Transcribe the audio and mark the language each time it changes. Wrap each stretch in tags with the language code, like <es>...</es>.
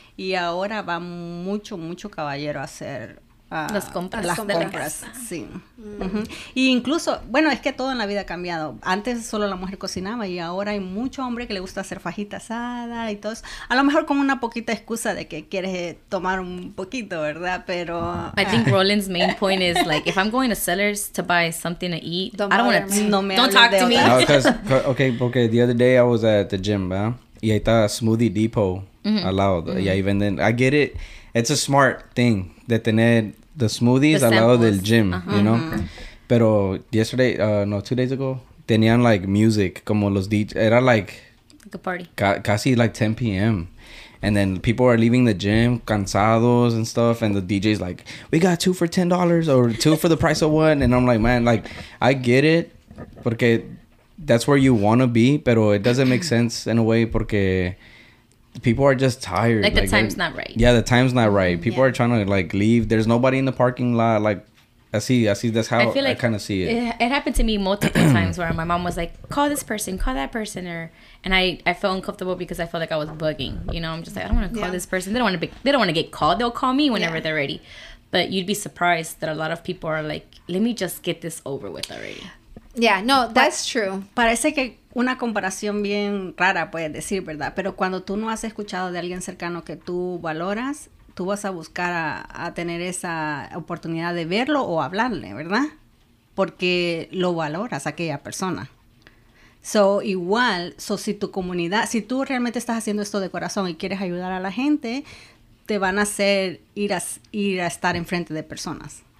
<es>Y ahora va mucho, mucho caballero a ser... Las compras. Sí. Uh-huh. Y incluso, bueno, es que todo en la vida ha cambiado. Antes solo la mujer cocinaba y ahora hay mucho hombre que le gusta hacer fajita asada y todo eso. A lo mejor con una poquita excusa de que quiere tomar un poquito, ¿verdad? Pero...</es> <en>I think Roland's main point is like, if I'm going to Sellers to buy something to eat, don't I don't want to...</en> <es>No me</es> <en>don't talk to me. No, okay, the other day I was at the gym,</en> <es>¿verdad? Y ahí está</es> <en>Smoothie Depot mm-hmm.</en> <es>al lado.</es> <en>Mm-hmm.</en> <es>Y ahí venden...</es> <en>I get it. It's a smart thing</en> <es>de tener</es> <en>the smoothies</en> <es>al lado del</es> <en>gym, uh-huh. you know?</en> <es>Pero</es> <en>yesterday, no, 2 days ago,</en> <es>tenían</es> <en>like music,</en> <es>como los DJ, era</es> <en>like a party. Casi like 10 p.m. And then people are leaving the gym,</en> <es>cansados</es> <en>and stuff, and the DJ's like, we got 2 for $10 or 2 for the price of 1. And I'm like, man, like, I get it,</en> <es>porque</es> <en>that's where you want to be,</en> <es>pero</es> <en>it doesn't make sense in a way porque... People are just tired. Like the time's not right. Yeah, the time's not right. People are trying to like leave. There's nobody in the parking lot. Like, I see. That's how I kind of see it. It happened to me multiple times where my mom was like, "Call this person, call that person," and I felt uncomfortable because I felt like I was bugging. You know, I'm just like, I don't want to call this person. They don't want to get called. They'll call me whenever they're ready. But you'd be surprised that a lot of people are like, "Let me just get this over with already." Yeah, no, that's true.</en> <es>Parece que una comparación bien rara puedes decir, ¿verdad? Pero cuando tú no has escuchado de alguien cercano que tú valoras, tú vas a buscar a tener esa oportunidad de verlo o hablarle, ¿verdad? Porque lo valoras, aquella persona. So, si tu comunidad, si tú realmente estás haciendo esto de corazón y quieres ayudar a la gente, te van a hacer ir a estar enfrente de personas.</es>